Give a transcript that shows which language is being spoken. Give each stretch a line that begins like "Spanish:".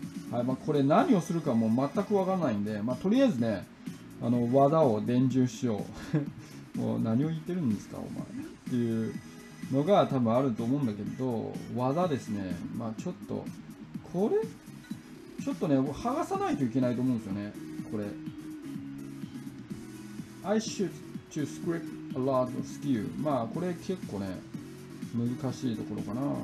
Japanese: はい、まあこれ何をするかもう全くわからないんで、まあとりあえずね、あの技を伝授しようもう何を言ってるんですかお前っていうのが多分あると思うんだけど、技ですね。まあちょっと、これちょっとね、剥がさないといけないと思うんですよね、これ。
English: I should to scrap a lot of skill。
Japanese: まあこれ結構ね、難しいところかな。